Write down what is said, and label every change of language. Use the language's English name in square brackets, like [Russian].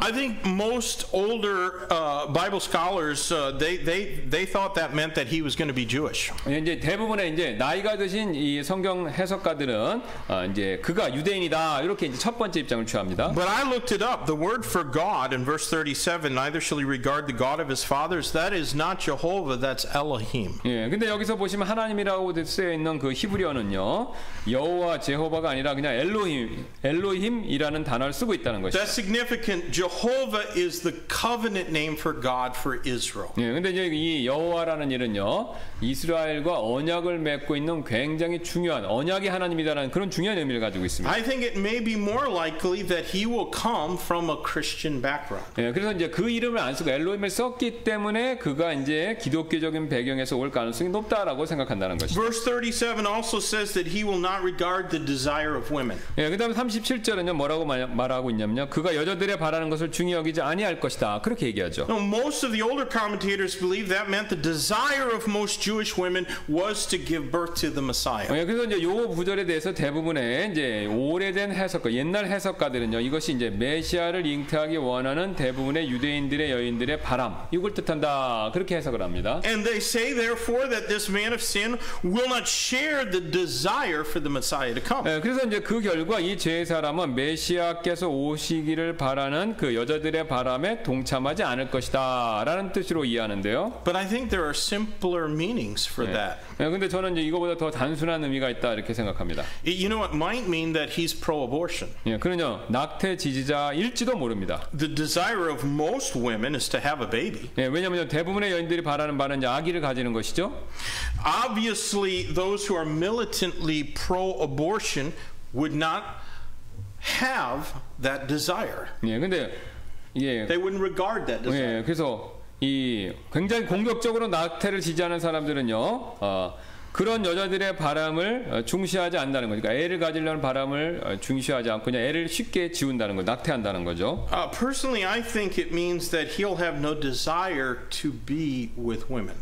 [English] I think most older Bible scholars they thought that meant that he was going to be Jewish. [Korean] 이제 대부분의 이제 나이가 드신 이 성경 해석가들은 이제 그가 유대인이다 이렇게 이제 첫 번째 입장을 취합니다. [English] But I looked it up. The word for God in verse 37, neither shall he regard the God of his fathers. That is not Jehovah. That's Elohim. [Korean] 예, 근데 여기서 보시면 하나님이라고 쓰여 있는 그 히브리어는요, 여호와 제호바가 아니라 그냥 엘로힘이라는 단어를 쓰고 있다는 것이죠. [English] That's significant. Jehovah is the covenant name for God for Israel. [Korean] 예, 근데 이제 이 여호와라는 는요 이스라엘과 언약을 맺고 있는 굉장히 중요한 언약의 하나님이다라는 그런 중요한 의미를 가지고 있습니다. [English] I think it may be more likely that he will come from a Christian background. [Korean] 예, 그래서 이제 그 이름을 안 쓰고 엘로힘을 썼기 때문에 그가 이제 기독교적인 배경에서 올 가능성이 높다라고 생각한다는 것이죠. [English] Verse 37 also says that he will not regard the desire of women. [Korean] 예, 그다음 37절은요 뭐라고 말하고 있냐면요 그가 여자들의 바라는 것을 중히 여기지 아니할 것이다 그렇게 얘기하죠. [English] Now, most of the older commentators believe that meant the desire of most Jewish women was to give birth to the Messiah. [Korean] 예, 그래서 이제 요 구절에 대해서 대부분의 이제 오래된 해석가, 옛날 해석가들은요, 이것이 이제 메시아를 잉태하기 원하는 대부분의 유대인들의 여인들의 바람, 이걸 뜻한다. 그렇게 해석을 합니다. [English] And they say therefore that this man of sin will not share the desire for the Messiah to come. [Korean] 예, 그래서 이제 그 결과 이 죄의 사람은 메시아께서 오시기를 바라는 그 여자들의 바람에 동참하지 않을 것이다라는 뜻으로 이해하는데요. [English] But I think there are simpler meanings for [Korean] 예. [English] that. [Korean] 예, 근데 저는 이제 이거보다 더 단순한 의미가 있다 이렇게 생각합니다. [English] You know, it might mean that he's pro-abortion. [Korean] 예, 그는요 낙태 지지자일지도 모릅니다. [English] The desire of most women is to have a baby. [Korean] 예, 왜냐하면 대부분의 여인들이 바라는 바는 이제 아기를 가지는 것이죠. [English] Obviously, those who are militantly pro-abortion would not have that desire. [Korean] 예, 근데 예. [English] They wouldn't regard that desire. [Korean] 예, 그래서 이 굉장히 공격적으로 낙태를 지지하는 사람들은요, 그런 여자들의 바람을 중시하지 않는다는 거죠. 그러니까 애를 가지려는 바람을 중시하지 않고 그냥 애를 쉽게 지운다는 거죠. 낙태한다는 거죠. [English] Personally, I think it means that he'll have no desire to be with women.